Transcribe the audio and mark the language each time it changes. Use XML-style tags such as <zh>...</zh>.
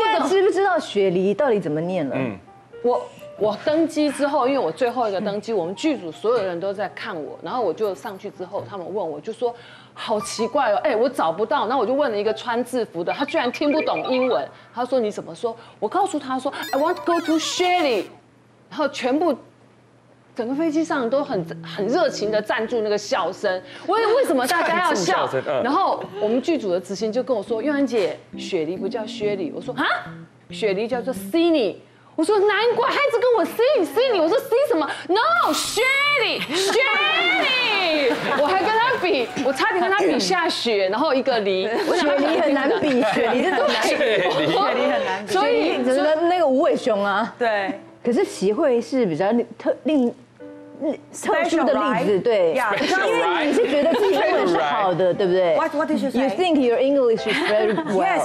<zh>你现在知不知道雪梨到底怎么念了？我登机之后，因为我最后一个登机，我们剧组所有人都在看我，然后我就上去之后，他们问我就说，好奇怪哦，哎，我找不到，那我就问了一个穿制服的，他居然听不懂英文，他说你怎么说？我告诉他说</zh> <en>I want to go to Shelly，</en> <zh>然后全部。整个飞机上都很热情的赞助那个笑声，为什么大家要笑？然后我们剧组的执行就跟我说：“玉兰姐，雪梨不叫雪梨。”我说：“啊，雪梨叫做 Cini。” 我说：“难怪孩子跟我 Cini。” 我说 ：“C 什么 ？No， 雪梨，雪梨。” 我还跟他比，我差点跟他比下雪，然后一个梨。雪梨很难比，雪梨真的很难比，雪梨很难比。所以整个那个无尾熊啊，对。可是席会是比较特殊的例子，对，因为你是觉得自己英文是好的，对不对</zh> <en>？What did you say? You think your English is very well?</en>